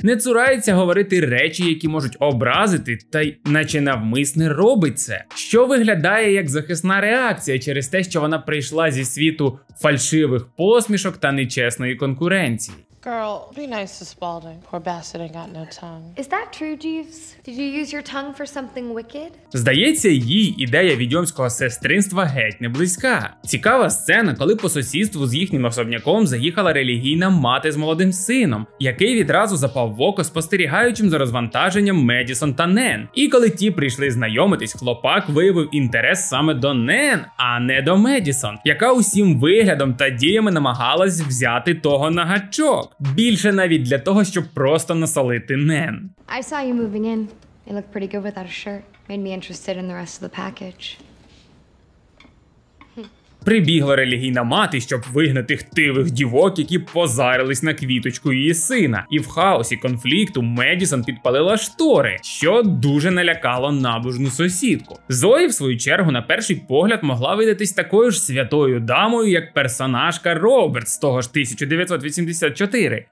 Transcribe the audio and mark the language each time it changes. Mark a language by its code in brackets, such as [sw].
[uk] Не цурається говорити речі, які можуть образити, та й наче навмисне робить це. Що виглядає як захисна реакція через те, що вона прийшла зі світу фальшивих посмішок та нечесної конкуренції. [en] Girl, be nice to Spalding. Poor bastard ain't got no tongue. Is that true, Jeeves? Did you use your tongue for something wicked? [uk] Здається, їй ідея відьомського сестринства геть не близька. Цікава сцена, коли по сусідству з їхнім особняком заїхала релігійна мати з молодим сином, який відразу запав в око спостерігаючим за розвантаженням Медісон та Нен. І коли ті прийшли знайомитись, хлопак виявив інтерес саме до Нен, а не до Медісон, яка усім виглядом та діями намагалась взяти того на гачок. Більше навіть для того, щоб просто насолити Нен. [en] I saw you moving in. You look pretty good without a shirt. Made me interested in the rest of the package. [uk] Прибігла релігійна мати, щоб вигнати хтивих дівок, які позарились на квіточку її сина. І в хаосі конфлікту Медісон підпалила штори, що дуже налякало набожну сусідку. Зої, в свою чергу, на перший погляд могла видатись такою ж святою дамою, як персонажка Робертс з того ж 1984.